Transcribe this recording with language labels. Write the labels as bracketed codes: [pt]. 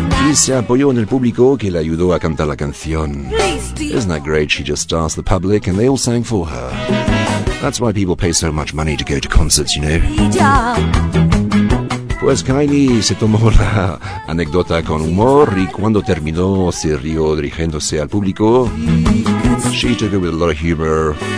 [es] Y se apoyó en el público que le ayudó a cantar la canción. [en] Isn't that great? She just asked the public and they all sang for her. That's why people pay so much money to go to concerts, you know. [es] Pues Kylie se tomó la anécdota con humor y cuando terminó se rió dirigiéndose al público. [en] She took it with a lot of humor.